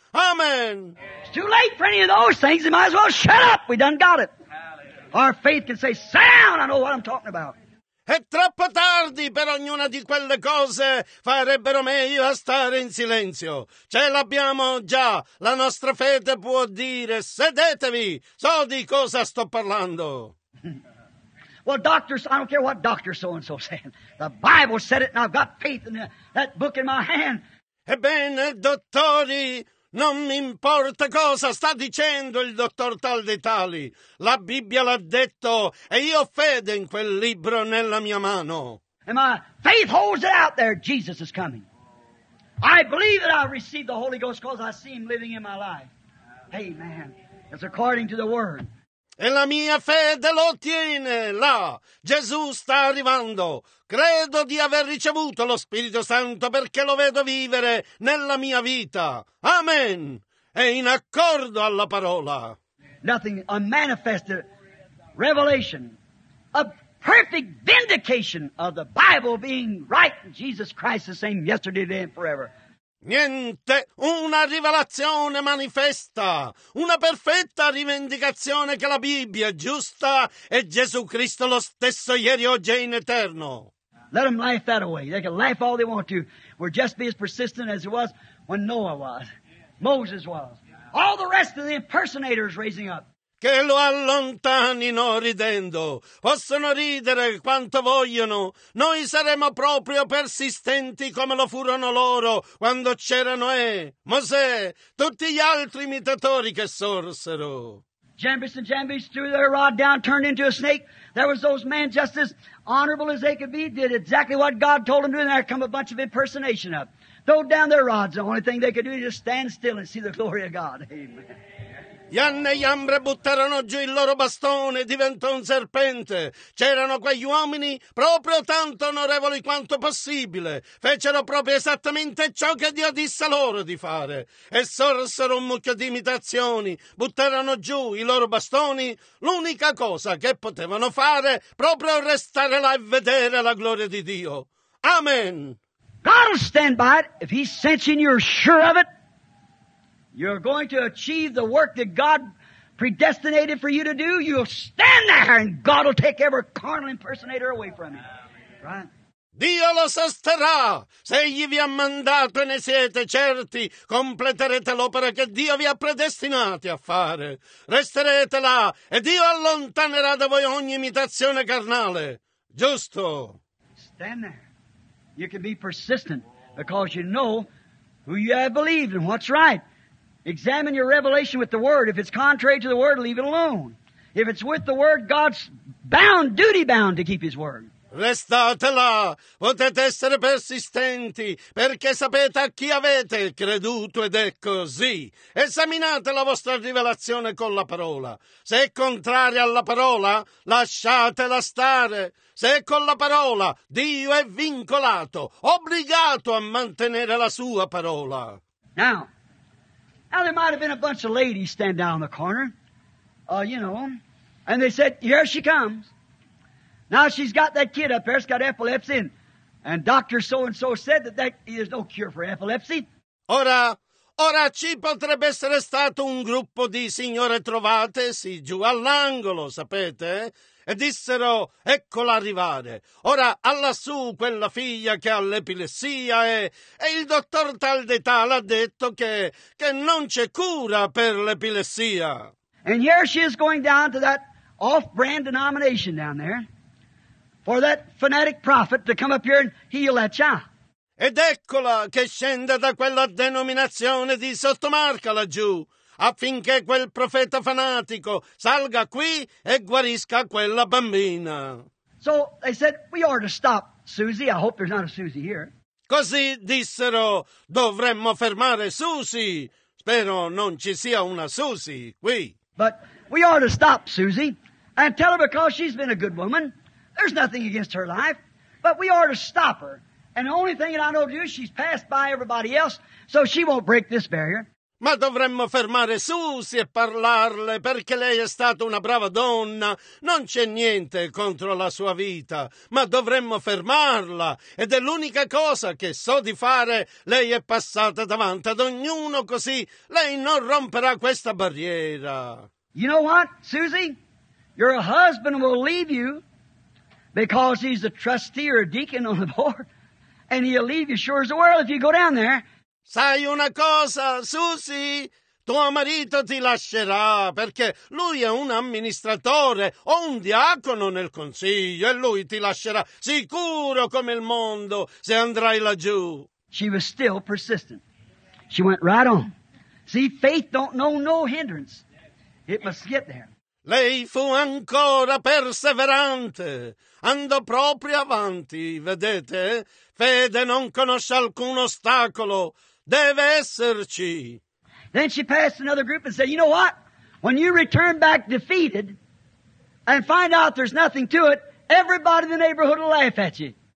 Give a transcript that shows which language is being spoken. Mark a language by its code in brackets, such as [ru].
[en] Amen. It's too late for any of those things. You might as well shut up. We done got it. Our faith can say, sound, I know what I'm talking about. [it] È troppo tardi per ognuna di quelle cose, farebbero meglio a stare in silenzio. Ce l'abbiamo già, la nostra fede può dire, sedetevi, so di cosa sto parlando. [en] Well, doctors, I don't care what doctor so-and-so said. The Bible said it, and I've got faith in that book in my hand. [it] Ebbene, dottori, non mi importa cosa sta dicendo il dottor tal dei tali. La Bibbia l'ha detto, e io ho fede in quel libro nella mia mano. [en] And my faith holds it out there. Jesus is coming. I believe that I received the Holy Ghost because I see Him living in my life. Amen. It's according to the Word. [it] E la mia fede lo tiene là. Gesù sta arrivando. Credo di aver ricevuto lo Spirito Santo perché lo vedo vivere nella mia vita. Amen. È in accordo alla parola. [en] Nothing unmanifested revelation, a perfect vindication of the Bible being right in Jesus Christ the same yesterday, today and forever. [it] Niente, una rivelazione manifesta, una perfetta rivendicazione che la Bibbia è giusta e Gesù Cristo lo stesso ieri, oggi e in eterno. [en] Let them laugh that away. They can laugh all they want to. We're just be as persistent as it was when Noah was, Moses was, all the rest of the impersonators raising up. [it] Che lo allontanino ridendo. Possono ridere quanto vogliono. Noi saremo proprio persistenti come lo furono loro quando c'erano Noè, Mosè, tutti gli altri imitatori che sorsero. [en] Jambis and Jambis threw their rod down, turned into a snake. There was those men just as honorable as they could be, did exactly what God told them to do, and there come a bunch of impersonation up. Throw down their rods. The only thing they could do is just stand still and see the glory of God. Amen. [it] Ian e Iambre buttarono giù il loro bastone e diventò un serpente. C'erano quegli uomini proprio tanto onorevoli quanto possibile. Fecero proprio esattamente ciò che Dio disse loro di fare. E sorsero un mucchio di imitazioni. Buttarono giù i loro bastoni. L'unica cosa che potevano fare proprio restare là e vedere la gloria di Dio. Amen. [en] God will stand by it if he's sensing you're sure of it. You're going to achieve the work that God predestinated for you to do. You'll stand there and God will take every carnal impersonator away from you. Right? [it] Dio lo sosterrà. Se egli vi ha mandato e ne siete certi, completerete l'opera che Dio vi ha predestinati a fare. Resterete là e Dio allontanerà da voi ogni imitazione carnale. Giusto? [en] Stand there. You can be persistent because you know who you have believed and what's right. Examine your revelation with the Word. If it's contrary to the Word, leave it alone. If it's with the Word, God's bound, duty-bound to keep His Word. [it] Restate là. Potete essere persistenti, perché sapete a chi avete creduto ed è così. Esaminate la vostra rivelazione con la parola. Se è contraria alla parola, lasciatela stare. Se è con la parola, Dio è vincolato, obbligato a mantenere la sua parola. [en] Now, there might have been a bunch of ladies standing down the corner, and they said, here she comes. Now she's got that kid up there, she's got epilepsy, and Dr. So-and-so said that there's no cure for epilepsy. [it] Ora ci potrebbe essere stato un gruppo di signore trovatesi giù all'angolo, sapete? E dissero, eccola arrivare. Ora, allassù, quella figlia che ha l'epilessia e il dottor tal de tal ha detto che non c'è cura per l'epilessia. [en] And here she is going down to that off-brand denomination down there for that fanatic prophet to come up here and heal that child. [it] Ed eccola che scende da quella denominazione di sottomarca laggiù, affinché quel profeta fanatico salga qui e guarisca quella bambina. [en] So they said, we ought to stop Susie. I hope there's not a Susie here. [it] Così dissero, dovremmo fermare Susie. Spero non ci sia una Susie qui. [en] But we ought to stop Susie and tell her because she's been a good woman. There's nothing against her life, but we ought to stop her. And the only thing that I know to do is she's passed by everybody else, so she won't break this barrier. [it] Ma dovremmo fermare Susie e parlarle, perché lei è stata una brava donna. Non c'è niente contro la sua vita, ma dovremmo fermarla. Ed è l'unica cosa che so di fare. Lei è passata davanti ad ognuno, così lei non romperà questa barriera. [en] You know what, Susie? Your husband will leave you Because he's a trustee or a deacon on the board. And he'll leave you sure as the world if you go down there. [it] Sai una cosa, Susie? Tuo marito ti lascerà perché lui è un amministratore o un diacono nel consiglio e lui ti lascerà sicuro come il mondo se andrai laggiù. [en] She was still persistent. She went right on. See, faith don't know no hindrance. It must get there. [it] Lei fu ancora perseverante. Andò proprio avanti, vedete? Fede non conosce alcun ostacolo. Deve esserci. [en] Then she passed another group and said, you know what? When you return back defeated and find out there's nothing to it, everybody in the neighborhood will laugh at you.